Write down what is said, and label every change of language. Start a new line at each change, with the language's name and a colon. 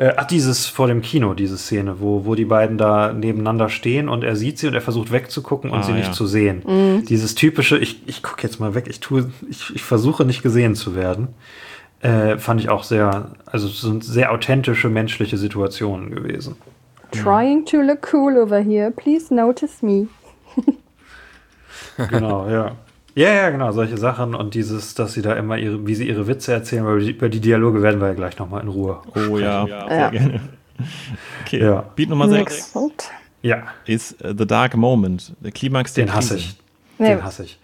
German: Dieses vor dem Kino, diese Szene, wo die beiden da nebeneinander stehen und er sieht sie und er versucht wegzugucken und sie nicht zu sehen. Mhm. Dieses typische, ich gucke jetzt mal weg, ich versuche nicht gesehen zu werden. Fand ich auch sehr, also so eine sehr authentische menschliche Situation gewesen.
English: Trying to look cool over here, please notice me.
German: Genau, ja. Ja, genau, solche Sachen und dieses, dass sie da immer ihre, wie sie ihre Witze erzählen, weil über die Dialoge werden wir ja gleich nochmal in Ruhe sprechen. Oh ja, sehr gerne. Okay, ja. Beat Nummer 6. Ja. Ist The Dark Moment, der Klimax der Krise. Den hasse ich.